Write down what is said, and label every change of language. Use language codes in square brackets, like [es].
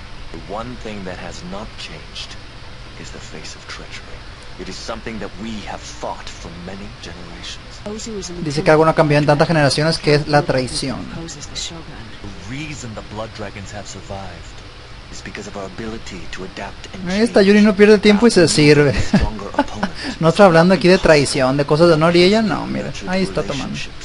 [en] The one thing that has not changed is the face of treachery. It is something that we have fought for many generations. [es] Dice que algo no cambió en tantas generaciones, que es la traición. [en] The reason the blood dragons have survived is because of our ability to adapt and change. [es] Esta Yuri no pierde tiempo y se sirve. No estoy hablando aquí de traición, de cosas de honor, y ella no, mira, ahí está tomando.